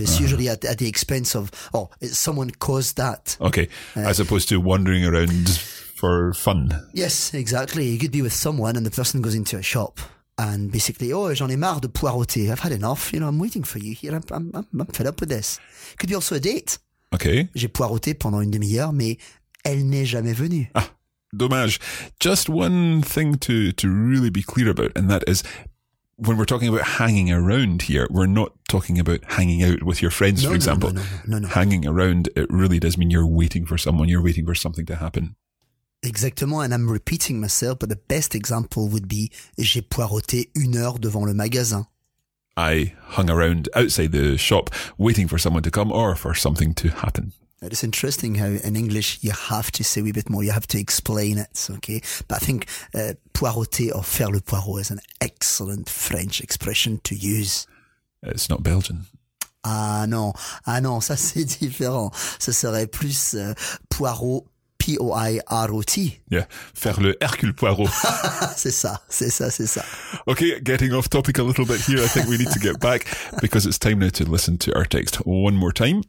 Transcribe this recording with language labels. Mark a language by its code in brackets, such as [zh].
[en] It's usually at the expense of, someone caused that. Okay, as opposed to wandering around for fun. Yes, exactly. You could be with someone and the person goes into a shop and basically, oh, [fr] j'en ai marre de poireauter. [en] I've had enough. You know, I'm waiting for you here. I'm fed up with this. Could be also a date. Okay. [fr] J'ai poireauté pendant une demi-heure, mais elle n'est jamais venue. Ah, dommage. [en] Just one thing to really be clear about, and that is when we're talking about hanging around here, we're not talking about hanging out with your friends, for example. No. Hanging around, it really does mean you're waiting for someone, you're waiting for something to happen. [fr] Exactement, [en] and I'm repeating myself, but the best example would be [fr] j'ai poireauté une heure devant le magasin. [en] I hung around outside the shop waiting for someone to come or for something to happen. It's interesting how in English you have to say a wee bit more, you have to explain it, okay? But I think poireauter or faire le poireau is an excellent French expression to use. It's not Belgian. [fr] Ah non, ça c'est différent. Ce serait plus poireau, P-O-I-R-O-T. Yeah, faire le Hercule Poirot. c'est ça. [en] Okay, getting off topic a little bit here. I think we need to get back because it's time now to listen to our text one more time.